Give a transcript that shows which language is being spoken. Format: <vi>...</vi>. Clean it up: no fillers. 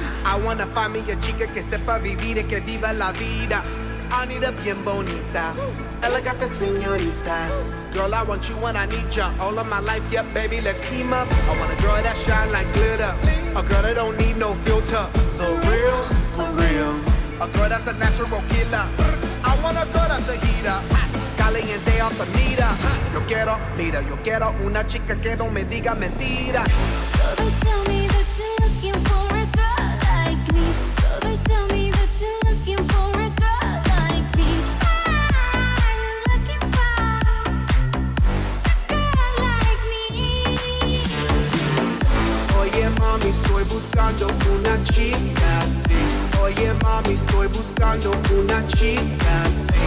<en>I wanna find me a</en> <es>chica que sepa vivir y que viva la vida.</es> <en>I need a</en> <es>bien bonita, elegante señorita.</es> <en>Girl, I want you when I need ya. All of my life, yeah, baby, let's team up. I want a girl that shine like glitter. A girl that don't need no filter. The real, for real. A girl that's a natural killer. I want a girl that's a heater.</en> <es>caliente a Fermira. Yo quiero, mira, yo quiero una chica que no me diga mentiras.</es> <en>So they tell me that you're looking for a girl like me. So they tell me that you're looking for a girl like me. I'm looking for a girl like me.</en> <es>Oye, mami, estoy buscando una chica, sí. Oye, mami, estoy buscando una chica, sí.</es>